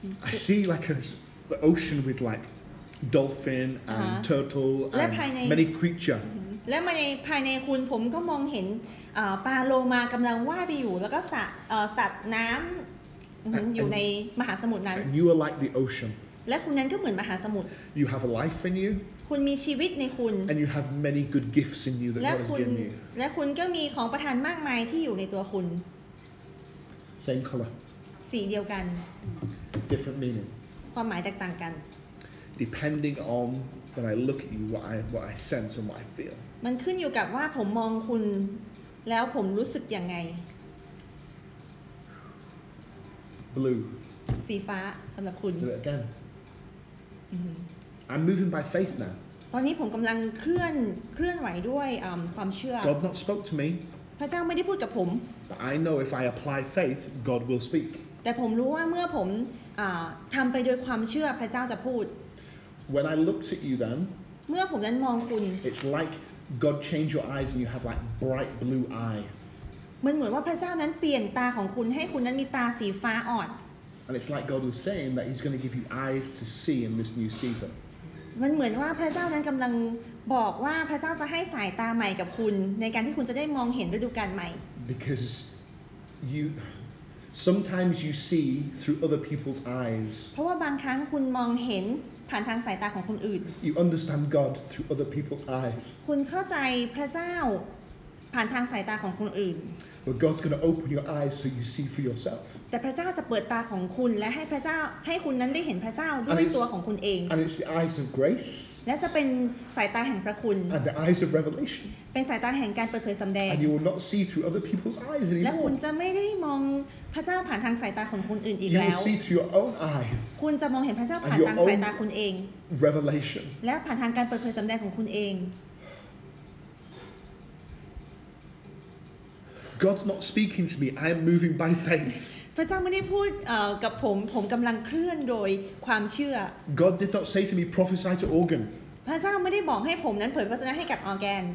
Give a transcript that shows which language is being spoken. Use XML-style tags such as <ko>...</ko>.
<en>I see like the ocean with like dolphin and turtle and many creature</en> <th>และภายในคุณผมก็มองเห็นปลาโลมากำลังว่ายไปอยู่แล้วก็สัตว์น้ำอยู่ในมหาสมุทรนั้น</th> <en>You are like the ocean</en> <th>และคุณนั้นก็เหมือนมหาสมุทร</th> <en>You have a life in you</en> <th>คุณมีชีวิตในคุณ</th> <en>And you have many good gifts in you that God has given you</en> <th>และคุณก็มีของประทานมากมายที่อยู่ในตัวคุณ</th> <en>Same color</en> <th>สีเดียวกัน</th> <en>Different meaning</en> <th>ความหมายแตกต่างกัน</th> <en>Depending on when I look at you what I sense and what I feel</en> <th>มันขึ้นอยู่กับว่าผมมองคุณแล้วผมรู้สึกยังไง</th> <en>Blue</en> <th>สีฟ้าสำหรับคุณ</th> <en>Do it againI'm moving by faith now.</en> <th>ตอนนี้ผมกำลังเคลื่อนไหวด้วยความเชื่อ</th> <en>God not spoke to me.</en> <th>พระเจ้าไม่ได้พูดกับผม</th> <en>But I know if I apply faith, God will speak.</en> <th>แต่ผมรู้ว่าเมื่อผมทำไปโดยความเชื่อพระเจ้าจะพูด</th> <en>When I looked at you then,</en> <th>เมื่อผมนั้นมองคุณ</th> <en>It's like God changed your eyes and you have like bright blue eye.</en> <th>มันเหมือนว่าพระเจ้านั้นเปลี่ยนตาของคุณให้คุณนั้นมีตาสีฟ้าอ่อน</th> <en>And it's like God was saying that He's going to give you eyes to see in this new season.</en> <th>มันเหมือนว่าพระเจ้านั้นกำลังบอกว่าพระเจ้าจะให้สายตาใหม่กับคุณในการที่คุณจะได้มองเห็นฤดูกาลใหม่</th> <en>Because you sometimes you see through other people's eyes.</en> <th>เพราะว่าบางครั้งคุณมองเห็นผ่านทางสายตาของคนอื่น</th> <en>You understand God through other people's eyes.</en> <th>คุณเข้าใจพระเจ้าผ่านทางสายตาของคนอื่น</th> <en>But God's going to open your eyes so you see for yourself.</en> <th>แต่พระเจ้าจะเปิดตาของคุณและให้พระเจ้าให้คุณนั้นได้เห็นพระเจ้าด้วยตัวของคุณเอง</th> <en>And it's the eyes of grace.</en> <th>และจะเป็นสายตาแห่งพระคุณ</th> <en>And the eyes of revelation.</en> <th>เป็นสายตาแห่งการเปิดเผยสำแดง</th> <en>And you will not see through other people's eyes anymore.</en> <th>และคุณจะไม่ได้มองพระเจ้าผ่านทางสายตาของคนอื่นอีกแล้ว</th> <en>You will see through your own eye.</en> <th>คุณจะมองเห็นพระเจ้าผ่านทางสายตาคุณเอง</th> <en>Revelation.</en> <th>และผ่านทางการเปิดเผยสำแดงของคุณเอง</th> <en>God's not speaking to me. I am moving by faith.</en> <th>พระเจ้าไม่ได้พูดกับผมผมกำลังเคลื่อนโดยความเชื่อ</th> <en>God did not say to me, prophesy to organ.</en> <th>พระเจ้าไม่ได้บอกให้ผมนั้นเผยพระวจนะให้กับออร์แกน</th>